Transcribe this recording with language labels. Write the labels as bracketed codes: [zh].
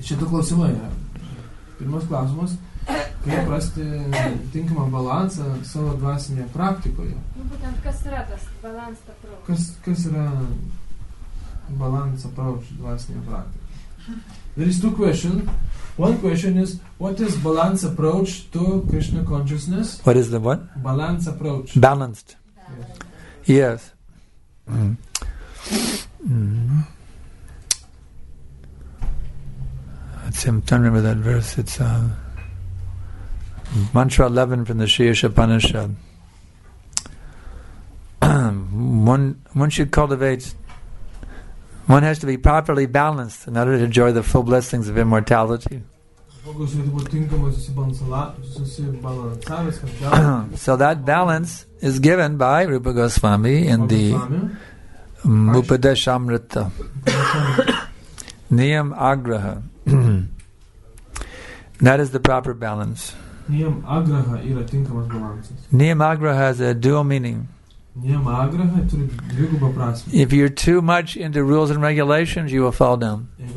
[lt] Čia du klausimai yra. Pirmas klausimas, kaip rasti tinkamą balansą savo dvasinėje praktikoje? Nu, būtent, kas yra tas [en] balanced approach? [lt] Kas yra [en] balanced approach [lt] dvasinėje praktikoje? [en] There is two questions. One question is, what is balanced approach to Krishna consciousness? What is the what? Balanced approach. Balanced. Yes. Yes. I'm trying to remember that verse. It's mantra 11 from the Sri Upanishad. One should cultivate. One has to be properly balanced in order to enjoy the full blessings of immortality. So that balance is given by Rupa Goswami in the Mupadeshamrita. Niyam Agraha. That is the proper balance. [lt] Niyam Agraha yra tinkamas balansas. [en] Niyam Agraha has a dual meaning. If you're too much into rules and regulations, you will fall down.